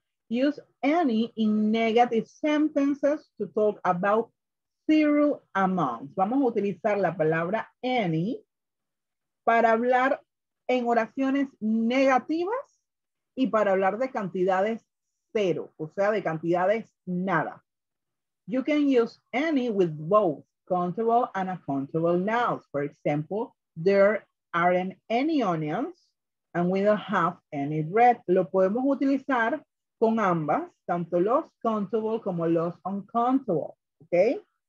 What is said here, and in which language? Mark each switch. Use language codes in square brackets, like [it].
[en] Use any in negative sentences to talk about zero amounts. [es] Vamos a utilizar la palabra any para hablar en oraciones negativas y para hablar de cantidades cero, o sea, de cantidades nada. [en] You can use any with both countable and uncountable nouns. For example, there aren't any onions and we don't have any bread. [es] Lo podemos utilizar con ambas, tanto los countable como los uncountable, ¿ok?